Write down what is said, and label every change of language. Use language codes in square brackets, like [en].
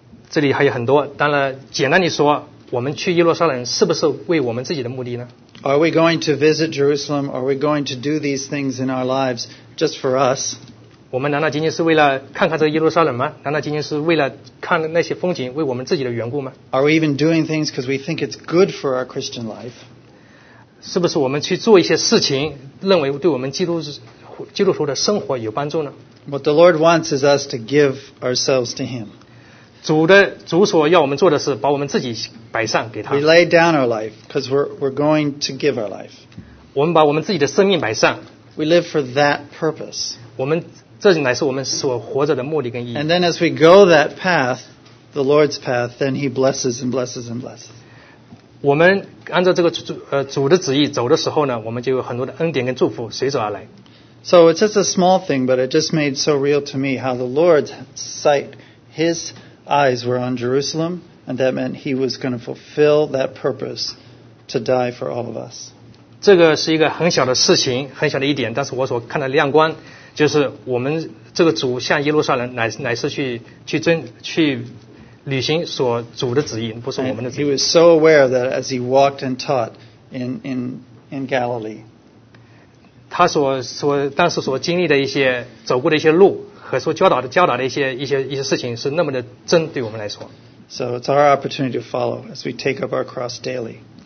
[zh] 这里还有很多，当然，简单地说，我们去耶路撒冷是不是为我们自己的目的呢？ [en] Are we going to visit Jerusalem? Are we going to do these things in our lives just for us? [zh] 我们难道仅仅是为了看看这个耶路撒冷吗？难道仅仅是为了看那些风景，为我们自己的缘故吗？ [en] Are we even doing things because we think it's good for our Christian life? [zh] 是不是我们去做一些事情，认为对我们基督徒的生活有帮助呢？ [en] What the Lord wants is us to give ourselves to Him. [zh] 主所要我们做的是把我们自己摆上给他。 [en] We lay down our life because we're going to give our life. [zh] 我们把我们自己的生命摆上。 [en] We live for that purpose. [zh] 我们 [en] And then as we go that path, the Lord's path, then He blesses and blesses and blesses. [zh] 我们按照这个主的旨意走的时候呢，我们就有很多的恩典跟祝福随之而来。 [en] So it's just a small thing, but it just made so real to me how the Lord's sight, His eyes were on Jerusalem, and that meant He was going to fulfill that purpose to die for all of us. [zh] 这个是一个很小的事情，很小的一点，但是我所看到亮光，就是我们这个主向耶路撒冷乃是去遵去履行所主的旨意，不是我们的旨意。 [en] He was so aware of that as He walked and taught in Galilee. [zh] 他所当时所经历的一些走过的一些路和所教导的一些事情是那么的真对我们来说。 [en] So it's our opportunity to follow as we take up our cross daily.